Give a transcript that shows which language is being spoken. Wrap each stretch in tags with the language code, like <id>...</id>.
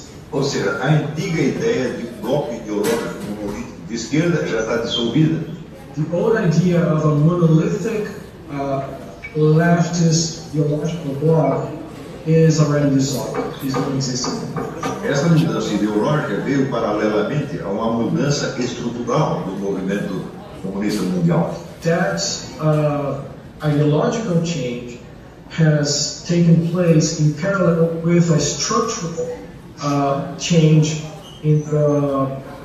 <pt>Ou seja, a antiga ideia de bloco ideológico político de esquerda já está dissolvida.</pt> <en>The old idea of a monolithic leftist ideological bloc is already dissolved, is not existing.</en> <pt>Essa mudança ideológica veio paralelamente a uma mudança estrutural do movimento comunista mundial.</pt> <en>That ideological change has taken place in parallel with a structural change in the</en>